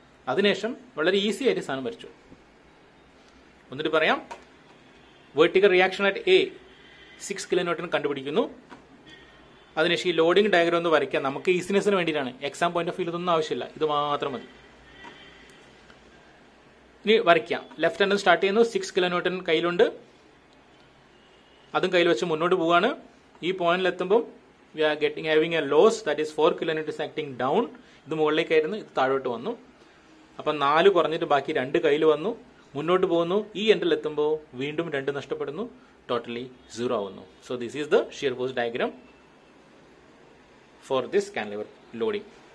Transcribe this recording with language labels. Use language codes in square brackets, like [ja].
[ml] അതിനുശേഷം വളരെ ഈസി ആയിട്ട് സാധനം വരച്ചു. എന്നിട്ട് പറയാം, [en] vertical reaction at a [ml] 6 kN കണ്ടുപിടിക്കുന്നു. അതിനുശേഷം ഈ ലോഡിംഗ് ഡയഗ്രം ഒന്ന് വരയ്ക്കാം. നമുക്ക് ഈസിനെസ്സിന് വേണ്ടിയിട്ടാണ്, എക്സാം പോയിന്റ് ഓഫ് വ്യൂ ഇതൊന്നും ആവശ്യമില്ല, ഇത് മാത്രം മതി. ഇനി വരയ്ക്കാം. ലെഫ്റ്റ് ഹാൻഡ് സ്റ്റാർട്ട് ചെയ്യുന്നു, 6 kN കയ്യിലുണ്ട്, അതും കയ്യിൽ വെച്ച് മുന്നോട്ട് പോവുകയാണ്. ഈ പോയിന്റിൽ എത്തുമ്പോൾ [en] we are getting having a loss, that is 4 kN acting down. [ml] ഇത് മുകളിലേക്ക് ആയിരുന്നു, ഇത് താഴോട്ട് വന്നു. അപ്പം 4 കുറഞ്ഞിട്ട് ബാക്കി 2 കയ്യിൽ വന്നു, മുന്നോട്ട് പോകുന്നു. ഈ എൻഡിൽ എത്തുമ്പോൾ വീണ്ടും 2 നഷ്ടപ്പെടുന്നു, ടോട്ടലി 0 ആവുന്നു. [en] So this is the shear force diagram for this cantilever loading.